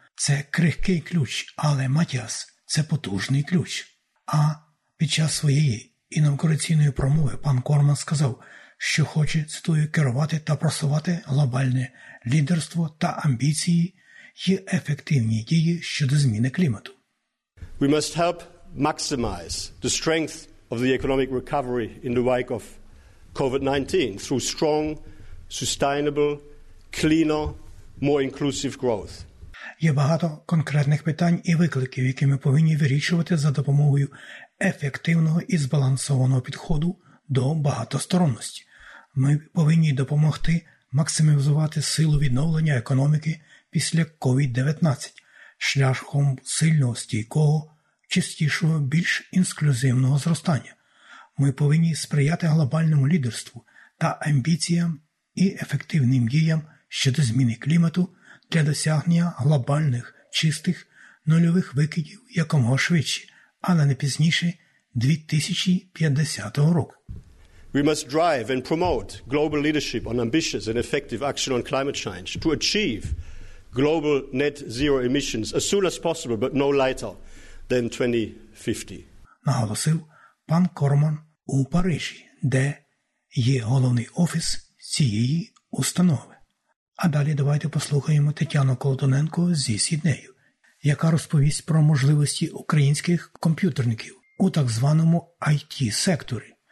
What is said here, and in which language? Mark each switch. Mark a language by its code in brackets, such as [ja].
[uk] Це крихкий ключ, але, Матіас, це потужний ключ. А під час своєї інавгураційної промови пан Корман сказав, що хоче, цитую, керувати та просувати глобальне лідерство та амбіції і ефективні дії щодо зміни клімату. [en] We must help maximize the strength of the economic recovery in the wake of COVID-19 through strong, sustainable, cleaner, more inclusive growth. [uk] Є багато конкретних питань і викликів, які ми повинні вирішувати за допомогою ефективного і збалансованого підходу до багатосторонності. Ми повинні допомогти максимізувати силу відновлення економіки після COVID-19 шляхом сильного, стійкого, чистішого, більш інклюзивного зростання. Ми повинні сприяти глобальному лідерству та амбіціям і ефективним діям щодо зміни клімату для досягнення глобальних чистих нульових викидів якомога швидше, але не пізніше 2050 року. [en] We must drive and promote global leadership on ambitious and effective action on climate change to achieve global net zero emissions as soon as possible, but no later than 2050. [uk] Наголосив пан Корман у Парижі, де є головний офіс цієї установи. А далі давайте послухаємо Тетяну Колтоненко зі Сіднею, яка розповість про можливості українських комп'ютерників у так званому IT-секторі.